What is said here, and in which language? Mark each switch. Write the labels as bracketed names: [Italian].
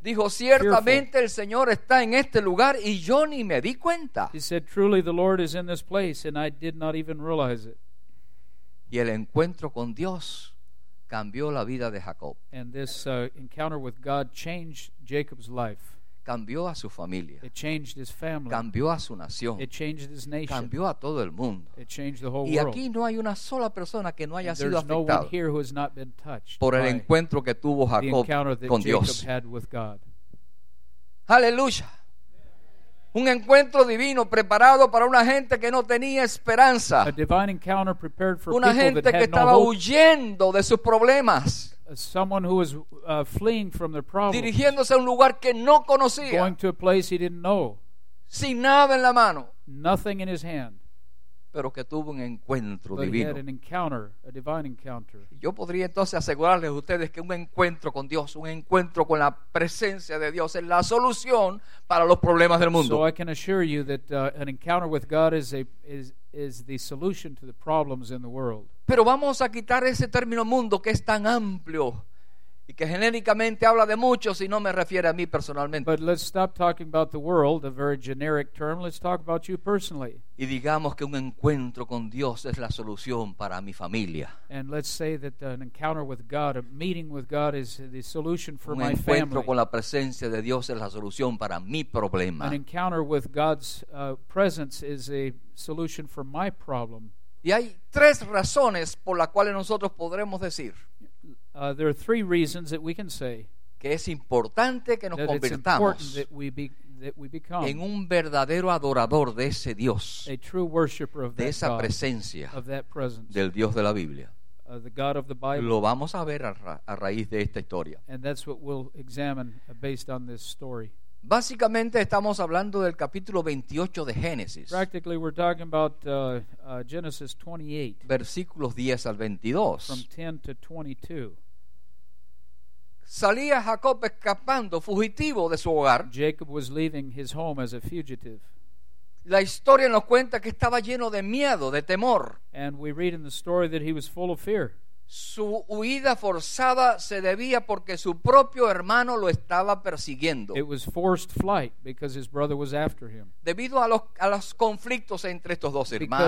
[Spanish] dijo, ciertamente el Señor está en este lugar y yo ni me di cuenta. [English] He said, truly the Lord is in this place and I did not even realize it. [Spanish] Y el encuentro con Dios cambió la vida de Jacob. [English] And this encounter with God changed Jacob's life. [Spanish] Cambió a su familia. [English] It changed his family. [Spanish] Cambió a su nación. [English] It changed his nation. [Spanish] Cambió a todo el mundo. [English] It changed the whole world. [Spanish] Y aquí no hay una sola persona que no haya sido afectado. [English] There's no one here who has not been touched. [Spanish] Por el encuentro que tuvo Jacob con Dios. Aleluya. Un encuentro divino preparado para una gente que no tenía esperanza. [English] A divine encounter prepared for [Spanish] una gente que estaba huyendo de sus problemas. [English] Someone who was fleeing from their problems. [Spanish] Dirigiéndose a un lugar que no conocía. [English] Going to a place he didn't know. [Spanish] Sin nada en la mano. [English] Nothing in his hand. [Spanish] Pero que tuvo un encuentro [English] but [Spanish] divino. [English] He had an encounter, a divine encounter. [Spanish] Yo podría entonces asegurarles a ustedes que un encuentro con Dios, un encuentro con la presencia de Dios es la solución para los problemas del mundo. [English] So I can assure you that an encounter with God is the solution to the problems in the world. [Spanish] Pero vamos a quitar ese término mundo que es tan amplio y que genéricamente habla de muchos y no me refiere a mí personalmente. [English] But let's stop talking about the world, a very generic term. Let's talk about you personally. [Spanish] Y digamos que un encuentro con Dios es la solución para mi familia. [English] And let's say that an encounter with God, a meeting with God is the solution for my family. [Spanish] Un encuentro con la presencia de Dios es la solución para mi problema. [English] An encounter with God's presence is a solution for my problem. [Spanish] Y hay tres razones por las cuales nosotros podremos decir [English] there are three reasons that we can say [Spanish] que es importante que nos [English] that [Spanish] convirtamos [English] it's important that we be, that we become, [Spanish] en un verdadero adorador de ese Dios, [English] a true worshiper of [Spanish] de esa [English] God, [Spanish] presencia [English] of that presence, [Spanish] del Dios de la Biblia. [English] The God of the Bible. [Spanish] Lo vamos a ver a raíz de esta historia. [English] And that's what we'll examine based on this story. [Spanish] Básicamente estamos hablando del capítulo 28 de Génesis. [English] Practically we're talking about Genesis 28. [Spanish] Versículos 10 al 22. [English] From 10 to 22. [Spanish] Salía Jacob escapando, fugitivo de su hogar. [English] Jacob was leaving his home as a fugitive. [Spanish] La historia nos cuenta que estaba lleno de miedo, de temor. [English] And we read in the story that he was full of fear. [Spanish] Su huida forzada se debía porque su propio hermano lo estaba persiguiendo. [English] It was forced flight because his brother was after him. [Spanish] Debido a los conflictos entre estos dos hermanos.